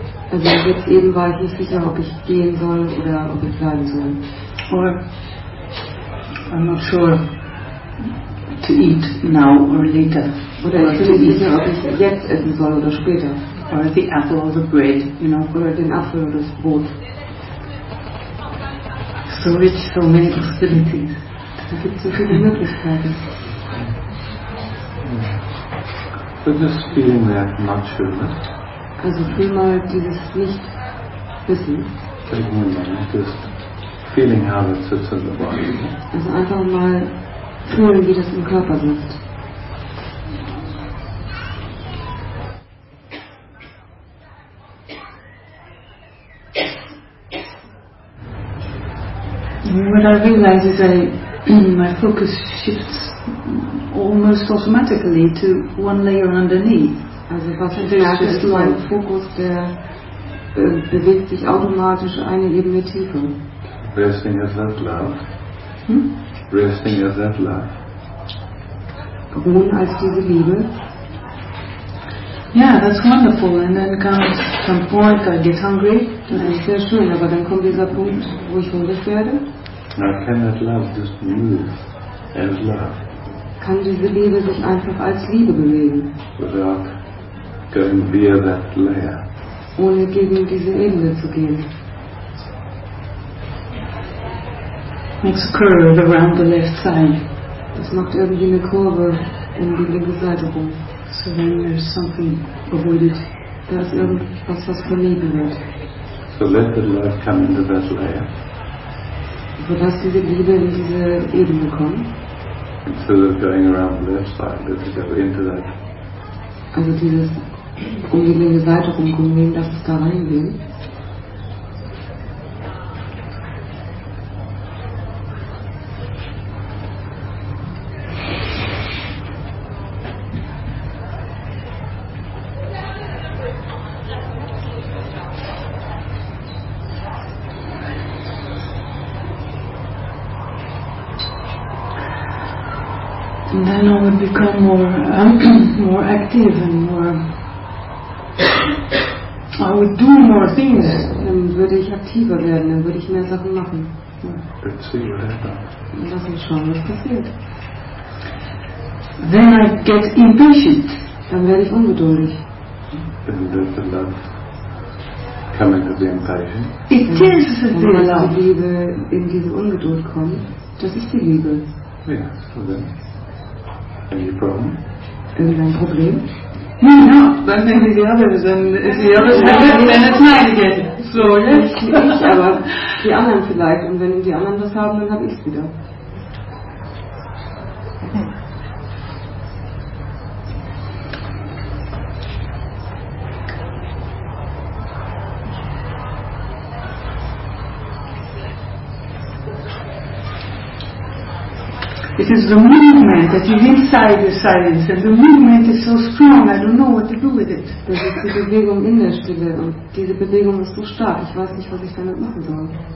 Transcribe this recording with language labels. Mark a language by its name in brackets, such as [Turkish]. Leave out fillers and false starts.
[German] Also jetzt eben war ich nicht sicher, ob ich gehen soll oder ob ich bleiben soll. [English] Or I'm not sure to eat now or later. [German] Oder ich bin nicht sicher, ob ich jetzt essen soll oder später. [English] Or the apple or the bread, you know, [German] oder den Apfel oder das Brot. [English] So rich, so many possibilities. [German] Da gibt es so viele Möglichkeiten. [English] Just feeling that not sure. [German] Also fühl mal dieses nicht wissen. [English] Just feeling how it sits in the body. [German] Also einfach mal fühlen, wie das im Körper sitzt. [English] What I realize is my focus shifts almost automatically to one layer underneath. [German] Also was ich merke, ist mein Fokus, der bewegt sich automatisch eine Ebene tiefer. [English] Resting is that love. Resting is that love. [German] Ruhen als diese Liebe. [English] Yeah, that's wonderful. And then comes some point, I get hungry. [German] Das ist sehr schön, aber dann kommt dieser Punkt, wo ich hungrig werde. [English] Now can that love just move as love? [German] Kann diese Liebe sich einfach als Liebe bewegen? [English] Without going via that layer. [German] Ohne gegen diese Ebene zu gehen. [English] Makes a curve around the left side. [German] Das macht irgendwie eine Kurve um die linke Seite rum. [English] So then there's something avoided. [German] Da ist irgendwas, was vermieden wird. [English] So let the love come into that layer. [German] So dass diese Liebe in diese Ebene kommt. [English] Instead of going around the left side, let's go into that. [German] Also dieses um die linke Seite rumgehen, dass es da reingehen. [English] Then I would become more more active and more. I would do more things. [German] Dann würde ich aktiver werden. Dann würde ich mehr Sachen machen. [English] Let's see what happens. [German] Lass uns schauen, was passiert. [English] Then I get impatient. [German] Dann werde ich ungeduldig. [English] Then there's the love coming to be impatient. It is the love. [German] Wenn die Liebe in diese Ungeduld kommt, das ist die Liebe. [English] Yeah, so then. Any problem? [German] Irgendein Problem? No, no, dann sind die anderen, dann ist die anderen wieder. So, ja. Ich, aber die anderen vielleicht. Und wenn die anderen was haben, dann habe ich es wieder. [English] It is the movement that is inside the silence, and the movement is so strong, I don't know what to do with it. [German] Das ist die Bewegung in der Stille, und diese Bewegung ist so stark, ich weiß nicht, was ich damit machen soll.